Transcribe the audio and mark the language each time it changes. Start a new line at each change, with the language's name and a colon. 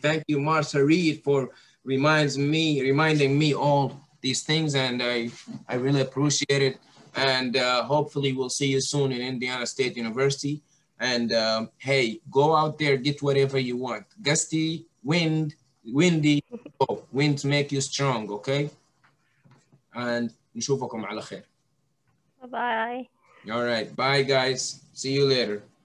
English: Thank you, Martha Reed, for reminding me all these things. And I really appreciate it. And hopefully we'll see you soon in Indiana State University. And hey, go out there, get whatever you want. Gusty, wind. Windy, winds make you strong, okay?
Arabic: And نشوفكم على خير.
English: Bye-bye. All right, bye guys. See you later.